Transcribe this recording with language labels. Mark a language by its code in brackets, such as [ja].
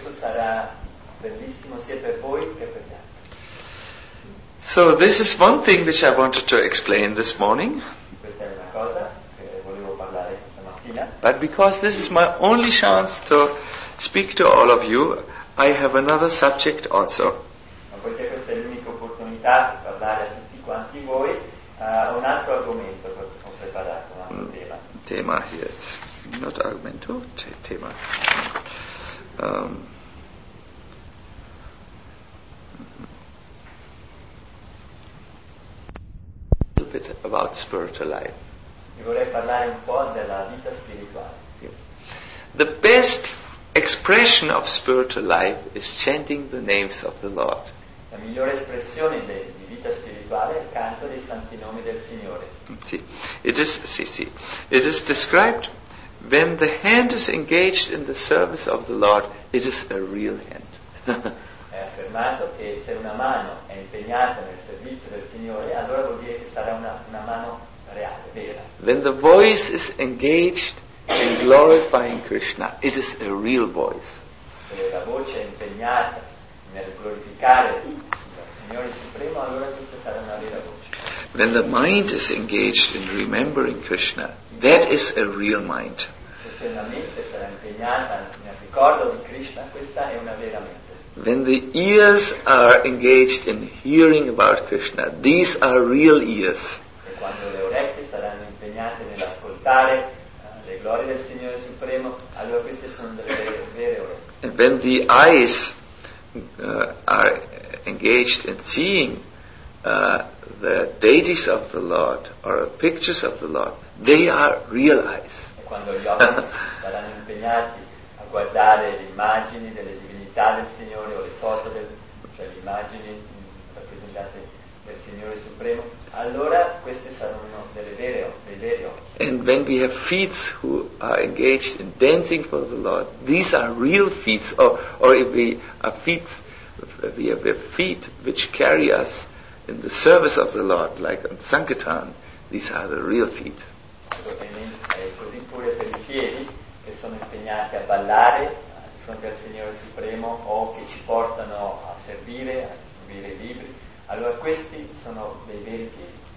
[it] Questo sarà bellissimo sia per voi che per gli altri. [en] So this is one thing which I wanted to explain this morning. [it] Questa è una cosa che volevo parlare stamattina. [en] But because this is my only chance to speak to all of you, I have another subject also. [it] Ma poiché questa è l'unica opportunità di parlare a tutti quanti voi, un altro argomento che ho preparato, un altro tema. Tema, [en] yes. Not [it] argomento, c'è tema. [en] Bit about spiritual life. [it] Io vorrei parlare un po' della vita spirituale. [en] Yes. The best expression of spiritual life is chanting the names of the Lord. [it] La migliore espressione di vita spirituale è il canto dei santi nomi del Signore. [en] Sì, It is described when the hand is engaged in the service of the Lord, it is a real hand. [it] È affermato che se una mano è impegnata nel servizio del Signore, allora vuol dire che sarà una mano reale, vera. [en] When the voice is engaged in glorifying Krishna, it is a real voice. [it] Se la voce è impegnata nel glorificare il Signore Supremo, allora tutto sarà una vera voce. [en] When the mind is engaged in remembering Krishna, that is a real mind. [it] Se la mente sarà impegnata nel ricordo di Krishna, questa è una vera mente. [en] When the ears are engaged in hearing about Krishna, these are real ears. [it] E quando le orecchie saranno impegnate nell'ascoltare le glorie del Signore Supremo, allora queste sono delle vere orecchie. [en] And when the eyes are engaged in seeing the deities of the Lord or pictures of the Lord, they are real eyes. [it] E quando gli occhi saranno impegnati a guardare le immagini delle divinità del Signore o le foto cioè le immagini rappresentate del Signore Supremo, allora queste saranno delle vere occhi. [en] And when we have feet who are engaged in dancing for the Lord, these are real feet, or if we are feet, we have feet which carry us in the service of the Lord, like on Sankirtan, these are the real feet. [it] Così pure per i piedi, che sono impegnati a ballare di fronte al Signore Supremo o che ci portano a servire i libri, allora questi sono dei veri piedi.